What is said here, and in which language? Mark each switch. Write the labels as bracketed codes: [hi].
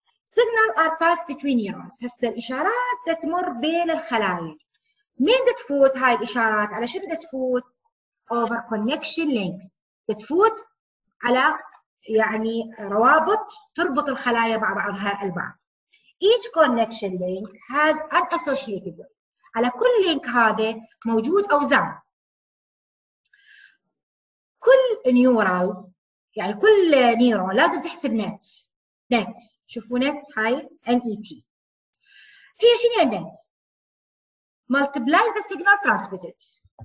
[en] signal are pass between neurons, [ar] هسه الاشارات تتمر بين الخلايا، مين تفوت هاي الاشارات؟ على شنو تفوت؟ [en] over connection links, [ar] تفوت على يعني روابط تربط الخلايا مع بعضها البعض. [en] Each connection link has an associated way. [ar] على كل لينك هذا موجود أوزان. كل نيورال يعني كل نيورون لازم تحسب نت. نت، شوفوا نت هاي NET. هي شنو هي النت؟ [en] Multiplies the signal transmitted.